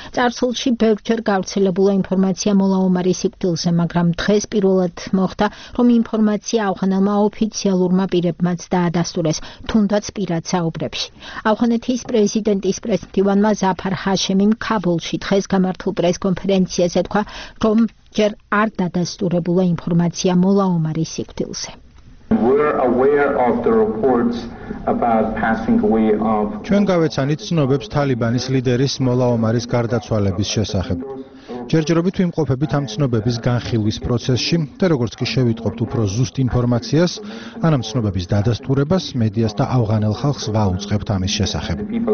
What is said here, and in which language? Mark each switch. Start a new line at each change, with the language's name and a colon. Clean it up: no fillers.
Georgian: წარსულში ბევრჯერ გავრცელებულა ინფორმაცია მოლა ომარის სიკვდილზე, მაგრამ დღეს პირველად მოხდა, რომ ინფორმაცია ავღანელმა ოფიციალურმა პირებმაც დაადასტურეს, თუნდაც პირად საუბრებში. ავღანეთის პრეზიდენტის პრესდივანმა ზაფარ ჰაშემიმ ქაბულში დღეს გამართულ პრესკონფერენციაზე თქვა, რომ ჯერ არ დადასტურებულა ინფორმაცია მოლა ომარის სიკვდილზე.
English: We're aware of the reports about passing away of
Georgian: ჩვენ გავეცანით ცნობებს თალიბანის ლიდერის მოლა ომარის გარდაცვალების შესახებ. ჯერჯერობით ვიმყოფებით ამ ცნობების განხილვის პროცესში და როგორც კი შევიტყობთ უფრო ზუსტ ინფორმაციას, ან ამ ცნობების დადასტურებას მედიას და ავღანელ ხალხს ვაუწყებთ ამის შესახებ.